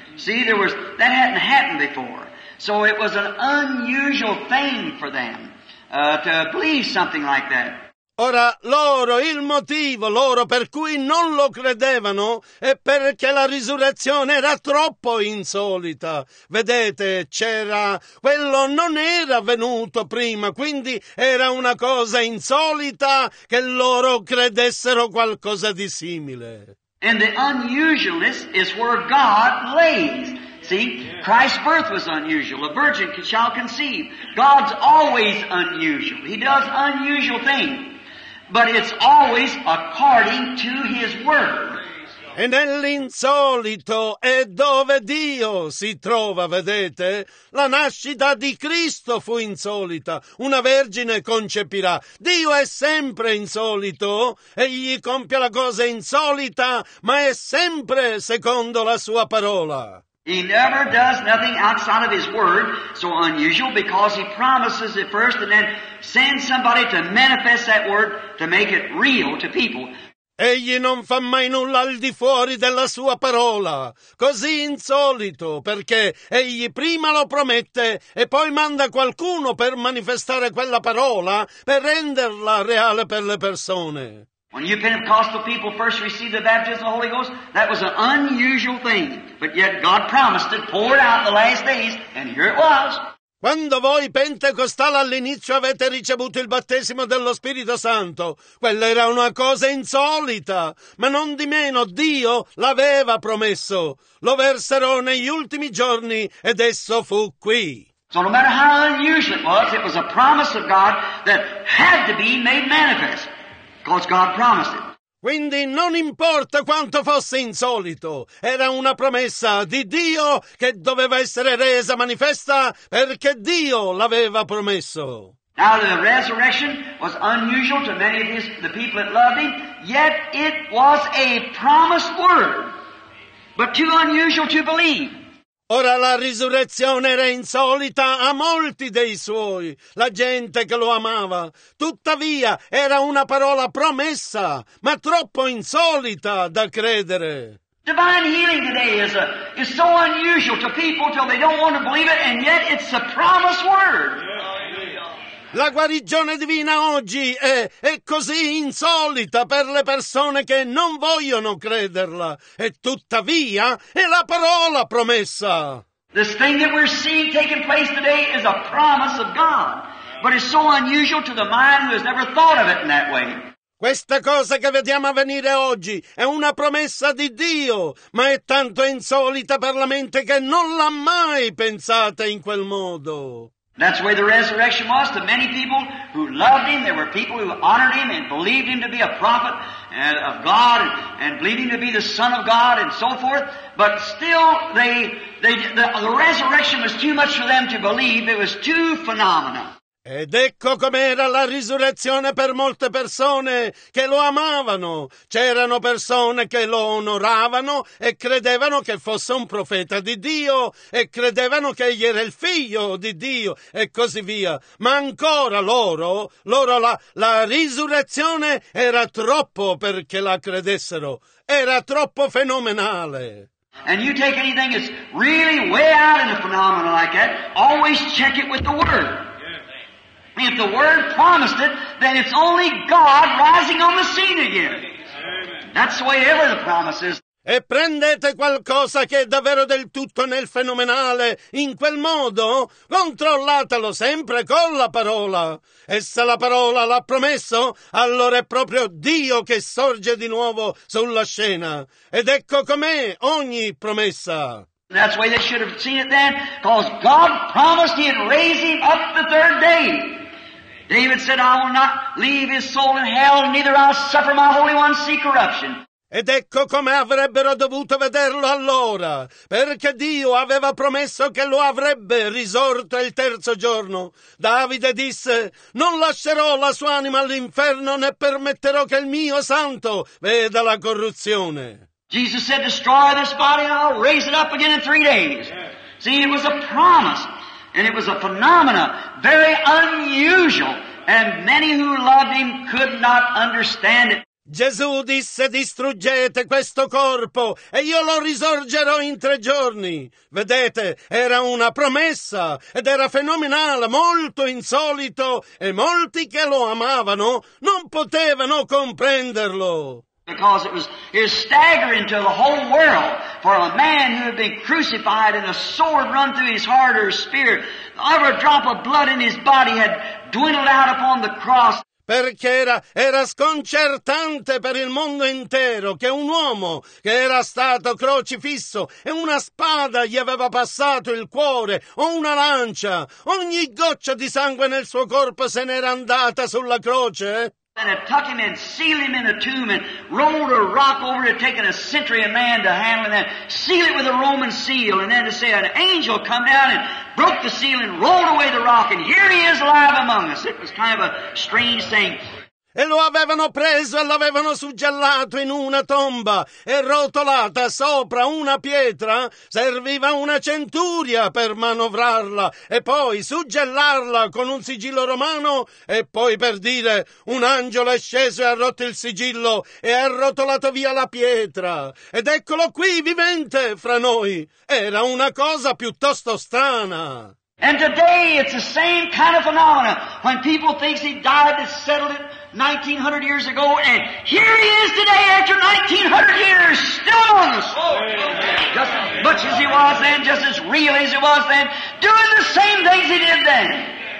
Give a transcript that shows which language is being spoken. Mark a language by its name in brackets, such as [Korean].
[English] See, that hadn't happened before. So it was an unusual thing for them. To believe something like that. [Italian] Ora loro, il motivo loro per cui non lo credevano è perché la risurrezione era troppo insolita. Vedete, c'era quello non era avvenuto prima, quindi era una cosa insolita che loro credessero qualcosa di simile. [English] And the unusualness is where God lays. See, Christ's birth was unusual. A virgin shall conceive. God's always unusual. He does unusual things. But it's always according to His Word. [Italian] E nell'insolito è dove Dio si trova, vedete? La nascita di Cristo fu insolita. Una vergine concepirà. Dio è sempre insolito. Egli compie la cosa insolita, ma è sempre secondo la sua parola. [English] He never does nothing outside of His Word, so unusual, because He promises it first and then sends somebody to manifest that Word to make it real to people. [Italian] Egli non fa mai nulla al di fuori della sua parola, così insolito, perché egli prima lo promette e poi manda qualcuno per manifestare quella parola, per renderla reale per le persone. [English] When you Pentecostal people first received the baptism of the Holy Ghost, that was an unusual thing. But yet God promised it, poured out in the last days, and here it was. [Italian] Quando voi Pentecostali all'inizio avete ricevuto il battesimo dello Spirito Santo, quella era una cosa insolita, ma non di meno Dio l'aveva promesso. Lo verserò negli ultimi giorni, ed esso fu qui. [English] So no matter how unusual it was a promise of God that had to be made manifest. Because God promised it. [Italian] Quindi non importa quanto fosse insolito, era una promessa di Dio che doveva essere resa manifesta perché Dio l'aveva promesso. [English] Now the resurrection was unusual to many of the people that loved him, yet it was a promised word, but too unusual to believe. [Italian] Ora la risurrezione era insolita a molti dei suoi, la gente che lo amava. Tuttavia era una parola promessa, ma troppo insolita da credere. [English] Divine healing today is so unusual to people till they don't want to believe it, and yet it's a promised word. [Italian] La guarigione divina oggi è così insolita per le persone che non vogliono crederla, e tuttavia è la parola promessa. [English] This thing that we're seeing taking place today is a promise of God, but it's so unusual to the mind who has never thought of it in that way. [Italian] Questa cosa che vediamo avvenire oggi è una promessa di Dio, ma è tanto insolita per la mente che non l'ha mai pensata in quel modo. [English] That's where the resurrection was. The many people who loved him, there were people who honored him and believed him to be a prophet and of God and believed him to be the Son of God and so forth. But still, the resurrection was too much for them to believe. It was too phenomenal. [Italian] Ed ecco com'era la risurrezione per molte persone che lo amavano. C'erano persone che lo onoravano e credevano che fosse un profeta di Dio e credevano che egli era il figlio di Dio e così via. Ma ancora loro la risurrezione era troppo perché la credessero. Era troppo fenomenale. [English] And you take anything that's really way out in a phenomenon like that, always check it with the Word. If the Word promised it, then it's only God rising on the scene again. Amen. That's the way ever the promise is. [Italian] E prendete qualcosa che è davvero del tutto nel fenomenale, in quel modo, controllatelo sempre con la parola. E se la parola l'ha promesso, allora è proprio Dio che sorge di nuovo sulla scena. Ed ecco com'è ogni promessa. [English] That's the way they should have seen it then, because God promised he'd raise him up the third day. David said, I will not leave his soul in hell, neither I'll suffer my holy one see corruption. [Italian] Ed ecco come avrebbero dovuto vederlo allora, perché Dio aveva promesso che lo avrebbe risorto il terzo giorno. Davide disse, non lascerò la sua anima all'inferno, né permetterò che il mio santo veda la corruzione. [English] Jesus said, destroy this body and I'll raise it up again in 3 days. See, it was a promise and it was a phenomena, very unusual, and many who loved him could not understand it. [Italian] Gesù disse, distruggete questo corpo e io lo risorgerò in 3 giorni. Vedete, era una promessa ed era fenomenale, molto insolito, e molti che lo amavano non potevano comprenderlo. [English] Because it was staggering to the whole world for a man who had been crucified and a sword run through his heart or spirit. Every drop of blood in his body had dwindled out upon the cross. [Italian] Perché era sconcertante per il mondo intero che un uomo che era stato crocifisso e una spada gli aveva passato il cuore o una lancia, ogni goccia di sangue nel suo corpo se n'era andata sulla croce. [English] And had tucked him and sealed him in a tomb and rolled a rock over it, taking a century of man to handle that, seal it with a Roman seal, and then to say an angel come down and broke the seal and rolled away the rock, and here he is alive among us. It was kind of a strange thing. [Italian] E lo avevano preso e l'avevano suggellato in una tomba e rotolata sopra una pietra. Serviva una centuria per manovrarla e poi suggellarla con un sigillo romano e poi per dire un angelo è sceso e ha rotto il sigillo e ha rotolato via la pietra. Ed eccolo qui vivente fra noi. Era una cosa piuttosto strana. [English] And today it's the same kind of phenomena when people think he died and settled it 1900 years ago, and here he is today after 1900 years, still on us. Just as much as he was then, just as real as he was then, doing the same things he did then.